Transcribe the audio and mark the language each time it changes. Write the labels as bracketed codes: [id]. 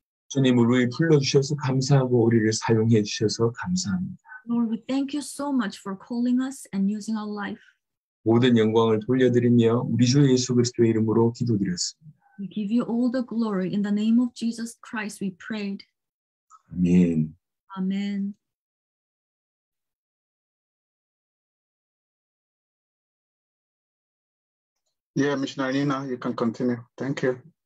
[ko] 주님을 우리 불러주셔서 감사하고 우리를 사용해 주셔서 감사합니다. [en] Lord, we thank you so much for calling us and using our life. [ko] 모든 영광을 돌려드리며 우리 주 예수 그리스도의 이름으로 기도드렸습니다. [en] We give you all the glory. In the name of Jesus Christ, we prayed. Amen. Amen. Yeah, Missionary Nina, you can continue. Thank you.